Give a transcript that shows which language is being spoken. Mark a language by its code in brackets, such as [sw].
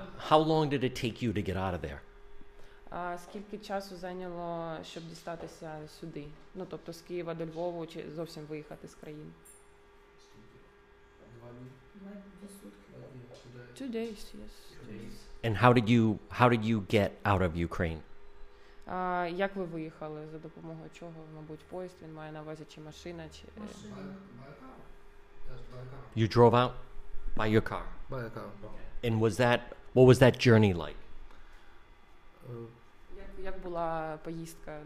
[en] How long did it take you to get out of there? [uk] Скільки часу зайняло, щоб дістатися сюди? Ну, тобто з Києва до Львова чи зовсім виїхати з країни? [en] 2 days, yes. And how did you get out of Ukraine? [uk] Як ви виїхали? За допомогою чого? Мабуть, поїзд, він має на увазі, чи машина, чи... [en] You drove out by your car? By your car. And what was that journey like? [uk] Як була поїздка?